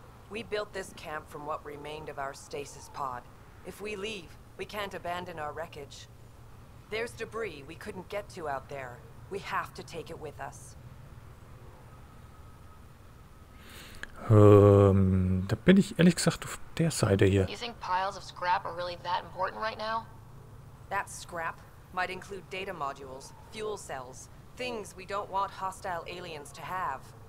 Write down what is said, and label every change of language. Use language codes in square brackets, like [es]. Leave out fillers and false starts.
[en] We built this camp from what remained of our stasis pod. If we leave, we can't abandon our wreckage. There's debris we couldn't get to out there. We have to take it with us. [de] Da bin ich ehrlich gesagt auf der Seite hier. [en] You think piles of scrap are really that important right now? That scrap might include data modules, fuel cells, things we don't want hostile aliens to have.